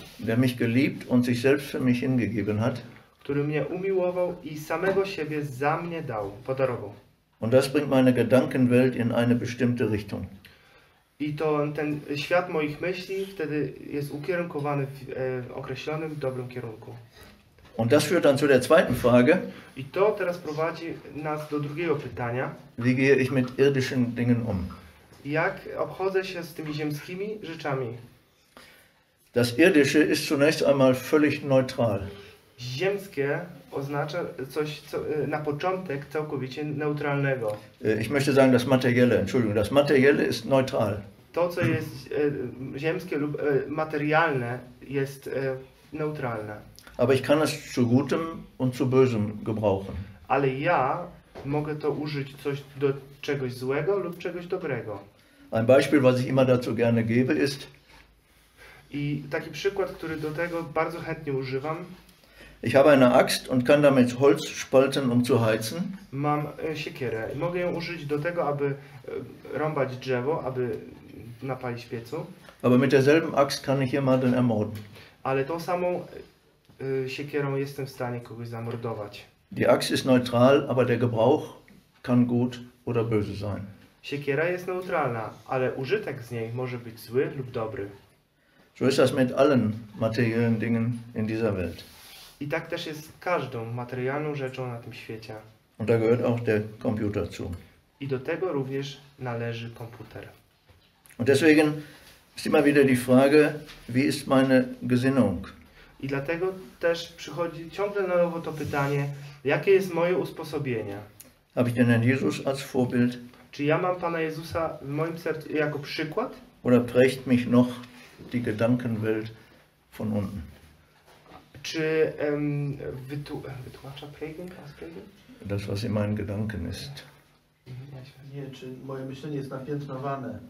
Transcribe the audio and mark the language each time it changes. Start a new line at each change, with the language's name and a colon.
German: Der mich geliebt und sich selbst für mich hingegeben hat.
Polish: Który mnie umiłował i samego siebie za mnie dał, podarował.
German: Und das bringt meine Gedankenwelt in eine bestimmte Richtung.
Polish: I to ten świat moich myśli wtedy jest ukierunkowany w określonym, dobrym kierunku.
German: Und das führt dann zu der zweiten Frage.
Polish: I to teraz prowadzi nas do drugiego pytania.
German: Wie gehe ich mit irdischen Dingen um?
Polish: Jak obchodzę się z tymi ziemskimi rzeczami?
German: Das Irdische ist zunächst einmal völlig neutral.
Polish: Ziemskie oznacza coś co, na początek całkowicie neutralnego.
German: Ich möchte sagen, das Materielle, Entschuldigung, das Materielle ist neutral.
Polish: To, co jest ziemskie lub materialne, jest neutralne.
German: Aber ich kann es zu Gutem und zu Bösem gebrauchen.
Polish: Ale ja mogę to użyć coś do czegoś złego lub czegoś dobrego.
German: Ein Beispiel, was ich immer dazu gerne gebe, ist...
Polish: I taki przykład, który do tego bardzo chętnie używam.
German: Ich habe eine Axt und kann damit Holz spalten, um zu heizen.
Polish: Mam siekierę. Mogę ją użyć do tego, aby rąbać drzewo, aby napalić piecu.
German: Aber mit derselben Axt kann ich jemanden ermorden.
Polish: Ale tą samą siekierą jestem w stanie kogoś zamordować.
German: Die Axt ist neutral, aber der Gebrauch kann gut oder böse sein.
Polish: Siekiera jest neutralna, ale użytek z niej może być zły lub dobry.
German: So ist das mit allen materiellen Dingen in dieser Welt.
Polish: I tak też jest z każdą materialną rzeczą na tym świecie.
German: Und da gehört auch der Computer zu.
Polish: I do tego również należy komputer.
German: Und deswegen ist immer wieder die Frage, wie ist meine Gesinnung?
Polish: I dlatego też przychodzi ciągle na nowo to pytanie, jakie jest moje usposobienie?
German: Habe ich denn Jesus als Vorbild?
Polish: Czy ja mam Pana Jezusa w moim sercu jako przykład?
German: Oder prägt mich noch die Gedankenwelt von unten?
Polish: Czy wytłumacza prägung?
German: Das, was in meinen Gedanken ist.
Polish: Nie, czy moje myślenie jest napiętnowane?